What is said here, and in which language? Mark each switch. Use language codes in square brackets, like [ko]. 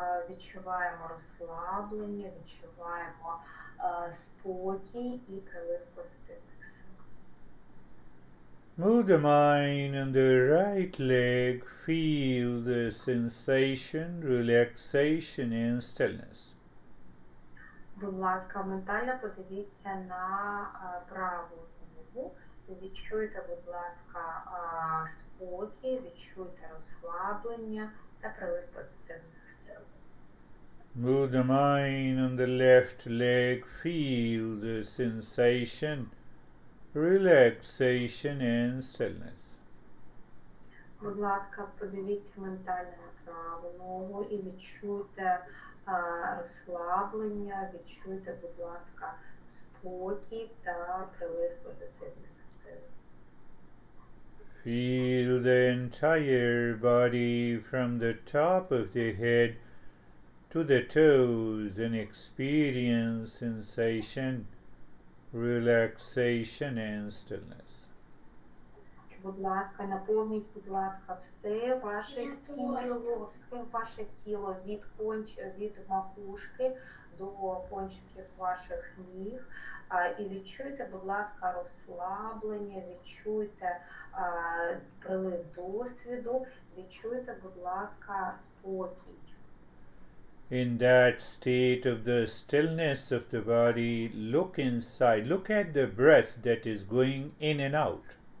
[uk] Відчуваємо розслаблення, відчуваємо спокій і прилив позитивних сил. [en] Move the mind on the right leg, feel the sensation, relaxation and stillness. [uk] Будь ласка, ментально подивіться на праву ногу. Відчуйте, будь ласка, спокій, відчуйте розслаблення та прилив позитивних сил. [en] Move the mind on the left leg, feel the sensation, relaxation and stillness. [uk] Будь ласка, подивіться ментально на праву ногу і відчуйте розслаблення, відчуйте, будь ласка, спокій та прилив позитивних сил. [en] Feel the entire body from the top of the head to the toes and experience sensation, relaxation and stillness. [uk] Будь ласка, наповніть, будь ласка, все ваше тіло, все ваше тіло від макушки до кончиків ваших ніг. І відчуйте, будь ласка, розслаблення, відчуйте прилив досвіду, відчуйте, будь ласка, спокій. [en] In that state of the stillness of the body, look inside, look at the breath that is going in and out.